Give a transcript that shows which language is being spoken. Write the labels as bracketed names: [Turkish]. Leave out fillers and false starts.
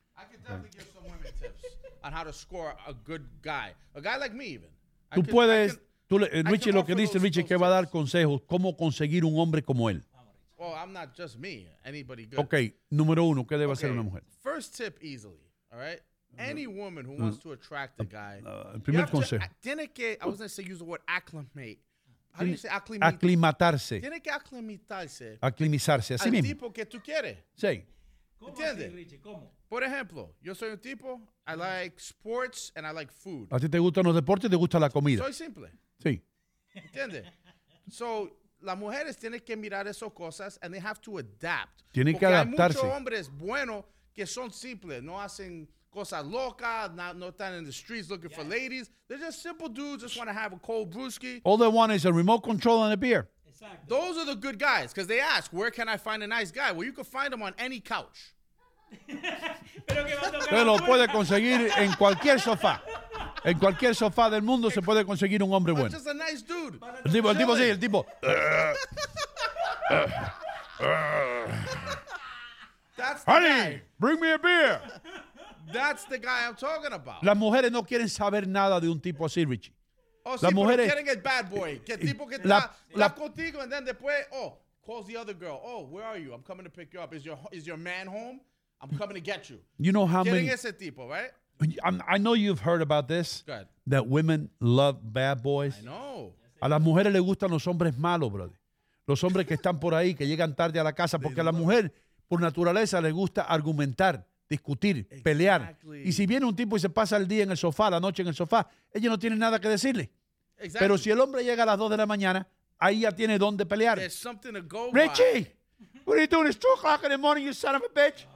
[English] I can definitely give some women tips on how to score a good guy. A guy like me, even. [Spanish] Richie, lo que dice Richie es que va a dar consejos, cómo conseguir un hombre como él. [English] Well, I'm not just me. Anybody good. [Spanish] Okay, número uno, ¿qué debe hacer una mujer? [English] First tip, easily, all right? Any woman who wants to attract a guy. [Spanish] Primer consejo. [English] Acclimate. How do you say acclimate? [Spanish] Aclimatarse. Tiene que aclimatarse. Aclimizarse, así mismo. Al tipo que tú quieres. Sí. ¿Cómo entiendes? Así, Richie, ¿cómo? Por ejemplo, yo soy un tipo, [English] I like sports and I like food. [Spanish] ¿A ti te gustan los deportes y te gusta la comida? Soy simple. Sí. ¿Entiendes? [English] So, [Spanish] las mujeres tienen que mirar esas cosas [English] and they have to adapt. [Spanish] Tienen porque que adaptarse. Hay muchos hombres buenos que son simples, no hacen cosas locas, no están [English] in the streets looking for ladies. They're just simple dudes, just want to have a cold brewski. All they want is a remote control and a beer. Exactly. Those are the good guys, because they ask, where can I find a nice guy? Well, you can find them on any couch. [Spanish] Pero lo puede conseguir en cualquier sofá. En cualquier sofá del mundo se puede conseguir un hombre bueno. [English] Just a nice dude. [Spanish] El tipo. [English] That's the honey, guy. Bring me a beer. That's the guy I'm talking about. [Spanish] Las mujeres no quieren saber nada de un tipo así, Richie. Oh, las mujeres quieren el [English] bad boy. [Spanish] Que tipo que está contigo, [English] and then [Spanish] después, [English] oh, calls the other girl. Oh, where are you? I'm coming to pick you up. Is your man home? I'm coming to get you. You know how many? [Spanish] Quieren ese tipo, [English] right? I know you've heard about this. Good. That women love bad boys. I know. [Spanish] A las mujeres les gustan los hombres malos, brother. Los hombres que están por ahí, que llegan tarde a la casa. Porque a la mujer, por naturaleza, le gusta argumentar, discutir, [English] exactly, [Spanish] pelear. Y si viene un tipo y se pasa el día en el sofá, la noche en el sofá, ella no tiene nada que decirle. [English] Exactly. [Spanish] Pero si el hombre llega a las 2 de la mañana, ahí ya tiene donde pelear. [English] There's something to go by. Richie, what are you doing? It's 2 o'clock in the morning, you son of a bitch.